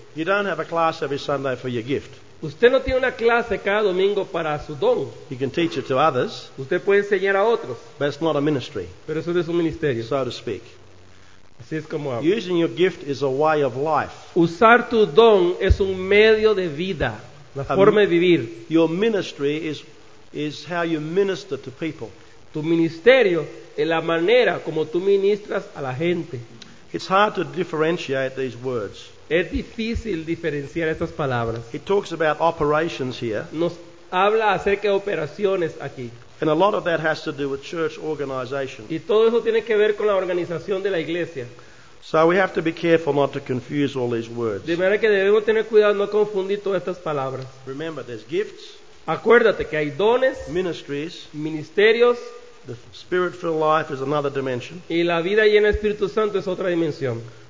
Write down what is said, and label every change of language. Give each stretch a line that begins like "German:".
English: You don't have a class every Sunday for your gift.
Spanish: Usted no tiene una clase cada domingo para su don.
English: You can teach it to others.
Spanish: Usted puede enseñar a otros.
English: But it's not a ministry.
Spanish: Pero eso no es un ministerio.
English: So to speak.
Spanish: Así es como hablo.
English: Using your gift is a way of life.
Spanish: Usar tu don es un medio de vida, la forma de vivir.
English: Your ministry is how you minister to people.
Spanish: Tu ministerio es la manera como tú ministras a la gente.
English: It's hard to differentiate these words.
Spanish: Es difícil diferenciar estas palabras.
English: It talks about operations here.
Spanish: Nos habla acerca de operaciones aquí.
English: And a lot of that has to do with church organization.
Spanish: Y todo eso tiene que ver con la organización de la iglesia.
English: So we have to be careful not to confuse all these words.
Spanish: De manera que debemos tener cuidado no confundir todas estas palabras.
English: Remember, there's gifts.
Spanish: Acuérdate que hay dones.
English: Ministries.
Spanish: Ministerios.
English: The spirit-filled life is another dimension.
Spanish: Y la vida llena del Espíritu Santo es otra dimensión.